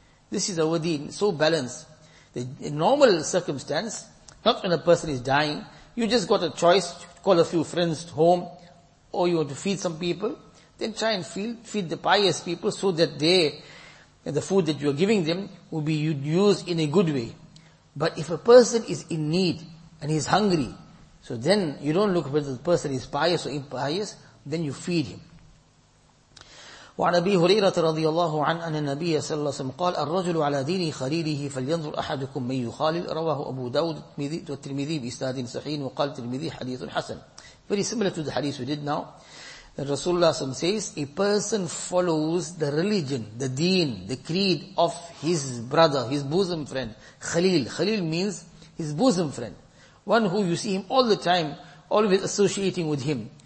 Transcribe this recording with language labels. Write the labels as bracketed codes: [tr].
[en] This is our deen, so balanced. The normal circumstance, not when a person is dying, you just got a choice, call a few friends home, or you want to feed some people, then try and feed the pious people so that they, and the food that you are giving them will be used in a good way. But if a person is in need and he's hungry, so then you don't look whether the person is pious or impious, then you feed him. [ar] وعن أبي هريرة رضي الله عنه أن النبي صلى الله عليه وسلم قال الرجل على دين خليله فلينظر أحدكم من يخالل رواه أبو داود والترمذي بإسناد صحيح وقال الترمذي حديث حسن. [en] Very similar to the hadith we did now. The Rasulullah says, a person follows the religion, the deen, the creed of his brother, his bosom friend, Khalil. Khalil means his bosom friend. One who you see him all the time, always associating with him.